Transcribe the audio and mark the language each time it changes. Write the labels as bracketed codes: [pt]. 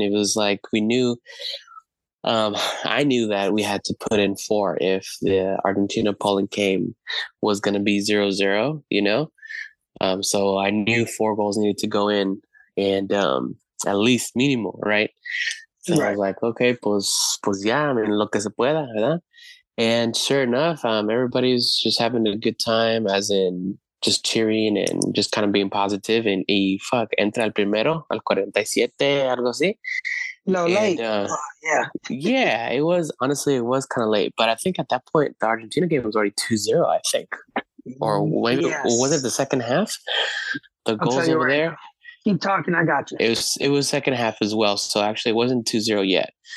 [en] It was like we knew, I knew that we had to put in four if the Argentina Poland game was going to be 0-0, you know? So I knew four goals needed to go in and, at least minimal, right? So right. I was like, okay, [es] pues ya, [en] I mean, [es] lo que se pueda, ¿verdad? [en] And sure enough, everybody's just having a good time, as in just cheering and just kind of being positive. And fuck, [es] entra el primero, al 47, algo así. [en] Late. Yeah, it was, honestly, it was kind of late. But I think at that point, the Argentina game was already 2-0, I think. Or maybe, yes. Was it the second half? The I'll goals over right there? Now. Keep talking, I got you. It was second half as well. So actually, it wasn't 2-0 yet.